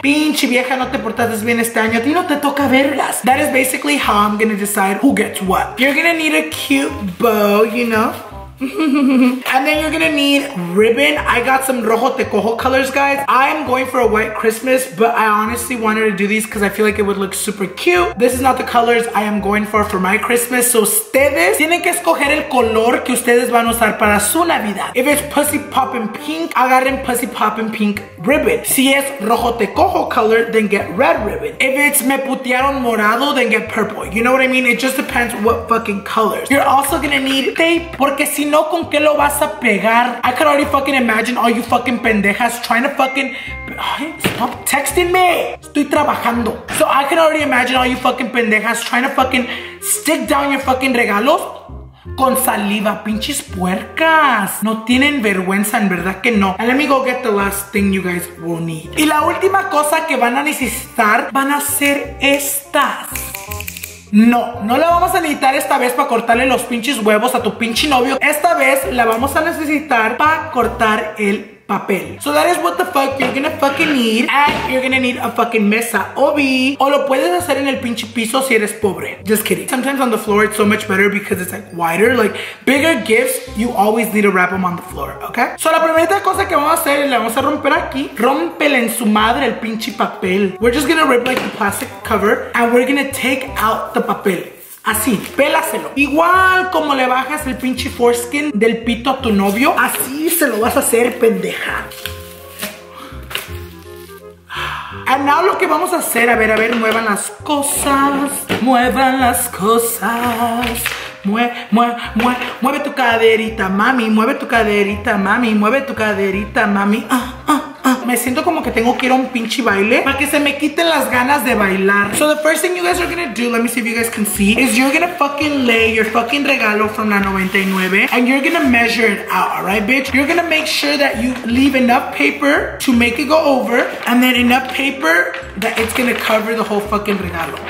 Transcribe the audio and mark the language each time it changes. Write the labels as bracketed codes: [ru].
[es] Pinche vieja, no te portas bien este año. A ti no te toca vergas. [en] That is basically how I'm gonna decide who gets what. You're gonna need a cute bow, you know? And then you're gonna need ribbon. I got some [es] rojo tecojo [en] colors, guys. I'm going for a white Christmas, but I honestly wanted to do these because I feel like it would look super cute. This is not the colors I am going for my Christmas. [es] So ustedes tienen que escoger el color que ustedes van a usar para su Navidad. [en] If it's pussy poppin' pink, agarren pussy poppin' pink ribbon. [es] Si es rojo tecojo color, [en] then get red ribbon. If it's [es] me putearon morado, [en] then get purple. You know what I mean? It just depends what fucking colors. You're also gonna need tape [es] porque si no, ¿con qué lo vas a pegar? [en] I could already fucking imagine all you fucking pendejas trying to fucking... Ay, stop texting me. [es] Estoy trabajando. [en] So I can already imagine all you fucking pendejas trying to fucking stick down your fucking [es] regalos con saliva. Pinches puercas. No tienen vergüenza, en verdad que no. [en] And let me go get the last thing you guys will need. [es] Y la última cosa que van a necesitar van a ser estas. No, no la vamos a necesitar esta vez para cortarle los pinches huevos a tu pinche novio. Esta vez la vamos a necesitar para cortar el papel. [en] So that is what the fuck you're gonna fucking need. And you're gonna need a fucking mesa. Obi. [es] O lo puedes hacer en el pinche piso si eres pobre. [en] Just kidding. Sometimes on the floor it's so much better because it's like wider. Like bigger gifts, you always need to wrap them on the floor, okay? [es] So la primera cosa que vamos a hacer, la vamos a romper aquí. Rompele en su madre el pinche papel. [en] We're just gonna rip like the plastic cover and we're gonna take out the papel. [es] Así, pélaselo. Igual como le bajas el pinche foreskin del pito a tu novio, así se lo vas a hacer, pendeja. And now lo que vamos a hacer, a ver, muevan las cosas. Muevan las cosas. Mueve tu caderita, mami. Mueve tu caderita, mami. Mueve tu caderita, mami. Me siento como que tengo que ir a un pinche baile para que se me quiten las ganas de bailar. [en] So the first thing you guys are gonna do, let me see if you guys can see, is you're gonna fucking lay your fucking regalo from la 99 and you're gonna measure it out, alright, bitch? You're gonna make sure that you leave enough paper to make it go over and then enough paper that it's gonna cover the whole fucking regalo.